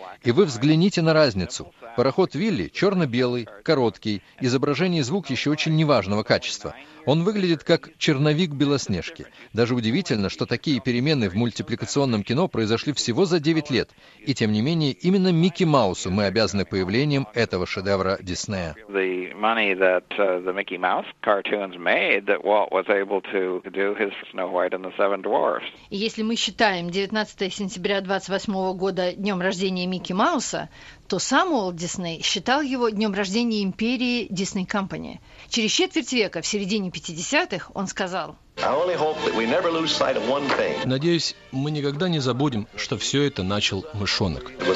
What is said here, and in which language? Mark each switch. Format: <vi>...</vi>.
<ru>И вы взгляните на разницу. «Пароход Вилли» черно-белый, короткий, изображение и звук еще очень неважного качества. Он выглядит как черновик «Белоснежки». Даже удивительно, что такие перемены в мультипликационном кино произошли всего за 9 лет. И тем не менее, именно Микки Маусу мы обязаны появлением этого шедевра Диснея.</ru> <en>The money that the Mickey Mouse cartoons made, that Walt was able to do his Snow White and the Seven Dwarfs.</en> <ru>И если мы считаем 19 сентября 28 года днем рождения Микки Мауса, то сам Уолт Дисней считал его днем рождения империи Дисней Компани. Через четверть века, в середине 50-х, он сказал: «Надеюсь, мы никогда не забудем, что все это начал мышонок».</ru>